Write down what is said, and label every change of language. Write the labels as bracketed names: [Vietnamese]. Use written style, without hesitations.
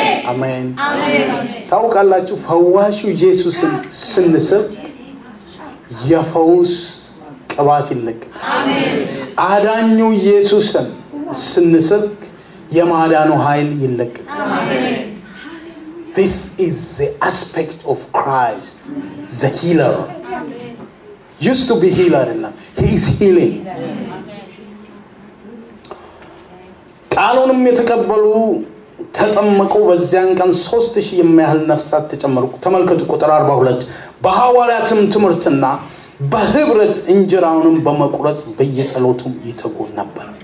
[Amharic] አሜን። ታውቃላችሁ ፈዋሹ ኢየሱስን ስንስብ የፈውስ ቅባት ይልቅ አዳኙ ኢየሱስን ስንስብ የማዳኑ ኃይል ይልቅ። አሜን። [English] This is the aspect of Christ, the healer. Used to be healer and now he is healing. [Amharic] ቃሉንም የተቀበሉ ተጠመቁ በዚያን ቀን 3000 የሚያህል ነፍሳት ተጨመሩ። ተመልከቱ ቁጥር 42 በሐዋርያትም ትምርትና በህብረት እንጀራውንም በመቁረጽ በየጸሎቱም ይተጉ ነበር።